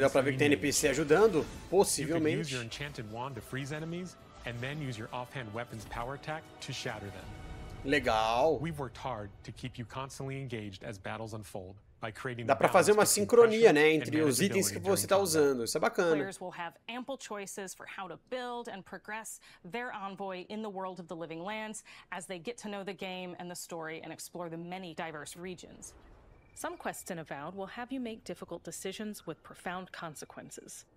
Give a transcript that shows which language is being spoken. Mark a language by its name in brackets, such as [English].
[Portuguese] Dá pra ver que tem NPC ajudando, possivelmente. [English] You can use your enchanted wand to freeze enemies and then use your offhand weapon's power attack to shatter them. [Portuguese] Legal. [English] We've worked hard to keep you constantly engaged as battles unfold by creating. [Portuguese] Dá pra fazer uma sincronia, né, entre os itens que você tá usando. Isso é bacana. [English] Players will have ample choices for how to build and progress their envoy in the world of the living lands as they get to know the game and the story and explore the many diverse regions. Some quests in AVOWED will have you make difficult decisions with profound consequences.